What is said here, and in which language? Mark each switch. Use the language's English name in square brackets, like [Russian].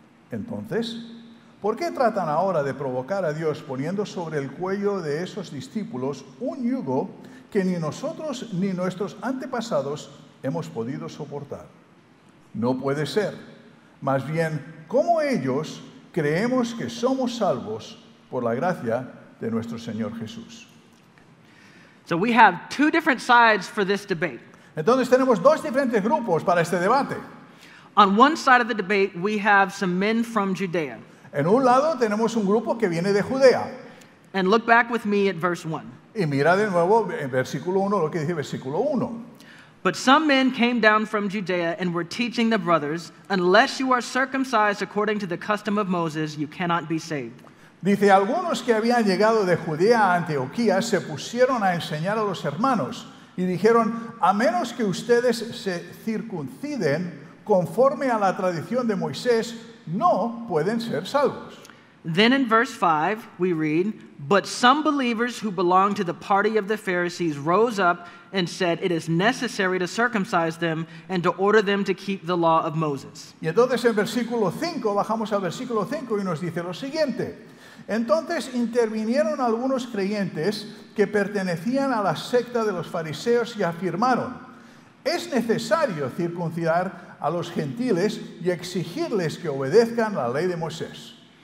[Spanish] Entonces, ¿por qué tratan ahora de provocar a Dios poniendo sobre el cuello de esos discípulos un yugo que ni nosotros ni nuestros antepasados hemos podido soportar? No puede ser. Más bien, ¿cómo ellos creemos que somos salvos por la gracia de nuestro Señor Jesús? [English] So we have two different sides for this debate. [Spanish] Entonces tenemos dos diferentes grupos para este debate. [English] On one side of the debate, we have some men from Judea. [Spanish] En un lado tenemos un grupo que viene de Judea. [English] And look back with me at verse 1. [Spanish] Y mira de nuevo en versículo 1 lo que dice versículo 1. [English] But some men came down from Judea and were teaching the brothers, unless you are circumcised according to the custom of Moses, you cannot be saved. [Spanish] Dice, algunos que habían llegado de Judea a Antioquía se pusieron a enseñar a los hermanos y dijeron, a menos que ustedes se circunciden conforme a la tradición de Moisés, no pueden ser salvos. [English] Then in verse 5 we read, but some believers who belonged to the party of the Pharisees rose up and said, it is necessary to circumcise them and to order them to keep the law of Moses. [Spanish] Y entonces en versículo 5, bajamos al versículo 5 y nos dice lo siguiente. Entonces intervinieron algunos creyentes que pertenecían a la secta de los fariseos y afirmaron, es necesario circuncidar a los gentiles y exigirles que obedezcan la ley de Moisés.